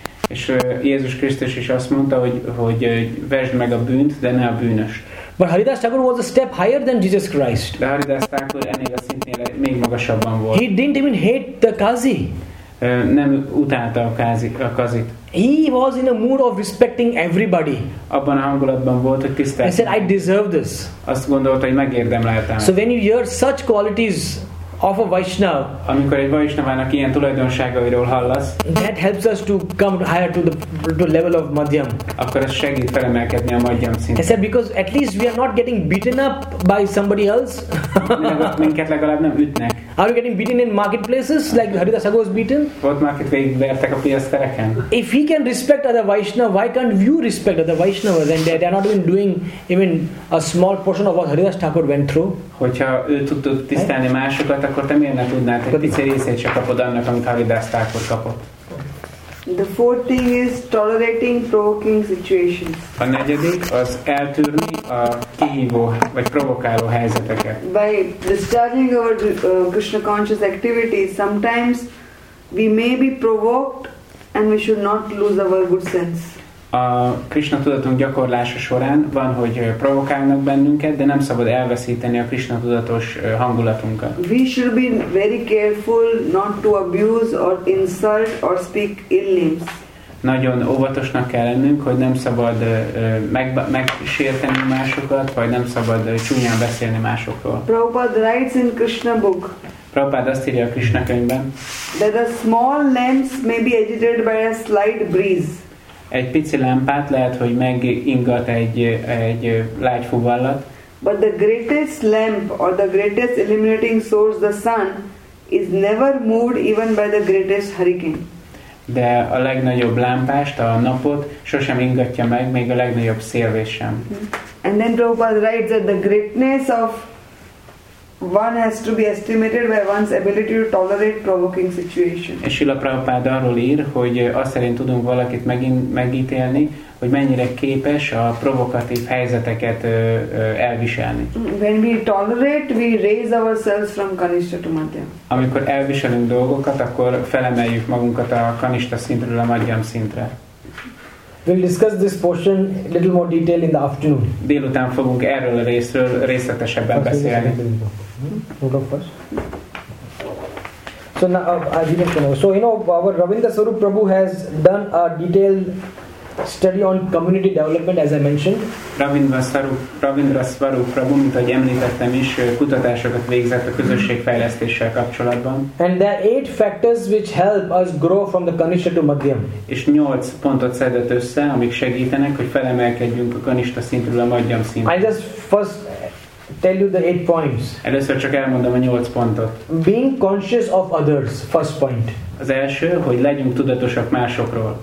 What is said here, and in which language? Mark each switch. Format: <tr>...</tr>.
<hu>És Jézus Krisztus is azt mondta, hogy vesd meg a bűnt, de ne a bűnöst.</hu> <en>But Haridas Thakur was a step higher than Jesus Christ.</en> <hu>De Haridas Thakur ennél a szintnél még magasabban volt.</hu> <en>He didn't even hate the Qazi.</en> <hu>nem utálta a kazit.</hu> <en>He was in a mood of respecting everybody.</en> <hu>Abban a hangulatban volt, hogy tisztelt.</hu> <en>He said, I deserve this.</en> <hu>Azt gondolta, hogy megérdemeltem.</hu> <en>So when you hear such qualities of a Vaishnav,</en> <hu>amikor egy Vaishnavának ilyen tulajdonságairól hallasz,</hu> <en>that helps us to come higher to the level of Madhyam.</en> <hu>Akkor ez segít felemelkedni a Madhyam szintre.</hu> <en>He said, because at least we are not getting beaten up by somebody else.</en> <hu>Minket legalább nem ütnek.</hu> <en>Are you getting beaten in marketplaces like Haridas Sagar was beaten? What market way vertek a piasztereken? If he can respect other Vaishnava, why can't you respect other Vaishnavas? And they are not even doing even a small portion of what Haridas Thakur went through.</en> <hu>Hogyha ő tudta tisztelni másokat, akkor te miért ne tudnád, hogy pici részét csak kapod annak, amit Haridas Thakur kapott?</hu> <en>The fourth thing is tolerating provoking situations.</en> <hu>A negyedik az eltűrni a kihívó vagy provokáló helyzeteket.</hu> <en>By discharging our Krishna conscious activities, sometimes we may be provoked and we should not lose our good sense.</en> <hu>A Krishna tudatunk gyakorlása során van, hogy provokálnak bennünket, de nem szabad elveszíteni a Krishna tudatos hangulatunkat.</hu> <en>We should be very careful not to abuse or insult or speak ill names.</en> <hu>Nagyon óvatosnak kell lennünk, hogy nem szabad megsérteni másokat, vagy nem szabad csúnyán beszélni másokról.</hu> <en>Prabhupada writes in Krishna book.</en> <hu>Prabhupada azt írja a Krishna könyvben.</hu> <en>That a small lamps may be agitated by a slight breeze.</en> <hu>Egy pici lámpát lehet, hogy megingat egy lágy fuvallat.</hu> <en>But the greatest lamp or the greatest illuminating source, the sun, is never moved even by the greatest hurricane.</en> <hu>De a legnagyobb lámpást, a napot sosem ingatja meg, még a legnagyobb szélvés sem.</hu> <en>And then Prabhupada writes that the greatness of one has to be estimated by one's ability to tolerate provoking situations.</en> <hu>És Srila Prabhupada arról ír, hogy azt szerint tudunk valakit megítélni, hogy mennyire képes a provokatív helyzeteket elviselni.</hu> <en>When we tolerate, we raise ourselves from kanista to madhyam.</en> <hu>Amikor elviselünk dolgokat, akkor felemeljük magunkat a kanista szintről a madhyam szintre.</hu> <en>We'll discuss this portion a little more detail in the afternoon.</en> <hu>Délután fogunk erről a részről részletesebben beszélni.</hu> <en>So now, as you know, our Ravindra Swarup Prabhu has done a detailed study on community development, as I mentioned.</en> <hu>Ravindra Swarup Prabhu, mint ahogy említettem is, kutatásokat végzett a közösségfejlesztéssel kapcsolatban.</hu> <en>And there are 8 factors which help us grow from the kanista to madhyam.</en> <hu>És 8 pontot szedett össze, amik segítenek, hogy felemelkedjünk a kanista szintről a madhyam szintre.</hu> <en>I just first tell you the 8 points.</en> <hu>Először csak elmondom a 8 pontot.</hu> <en>Being conscious of others, first point.</en> <hu>Az első, hogy legyünk tudatosak másokról.</hu>